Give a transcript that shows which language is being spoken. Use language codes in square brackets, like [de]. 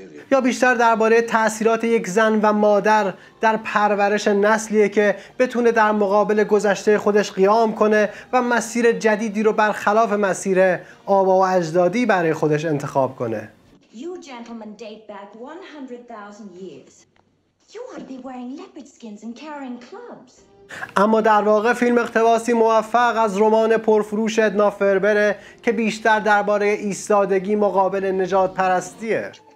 [fa] یا بیشتر درباره تأثیرات یک زن و مادر در پرورش نسلیه که بتونه در مقابل گذشته خودش قیام کنه و مسیر جدیدی رو برخلاف مسیر آبا و اجدادی برای خودش انتخاب کنه. [en] You gentlemen date back 100,000 years. You ought to be wearing leopard skins and carrying clubs. [fa] اما در واقع فیلم اقتباسی موفق از رمان پرفروش ادنا فربره که بیشتر درباره ایستادگی مقابل نجات پرستیه.